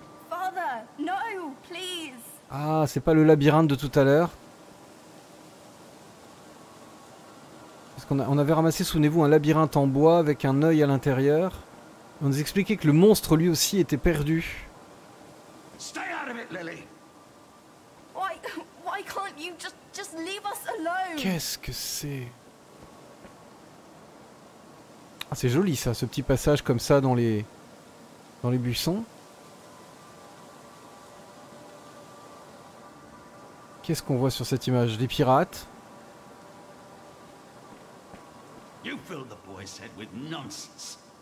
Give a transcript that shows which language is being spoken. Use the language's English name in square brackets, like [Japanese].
[English] Father, no, please. [French] Ah, c'est pas le labyrinthe de tout à l'heure. Parce qu'on on avait ramassé, souvenez-vous, un labyrinthe en bois avec un œil à l'intérieur. On nous expliquait que le monstre lui aussi était perdu. [English] Stay out of it, Lily. Why can't you just leave us alone? [French] Qu'est-ce que c'est? Ah, c'est joli ça, ce petit passage comme ça dans les buissons. Qu'est-ce qu'on voit sur cette image? Des pirates. [English] You filled the boy's head with nonsense.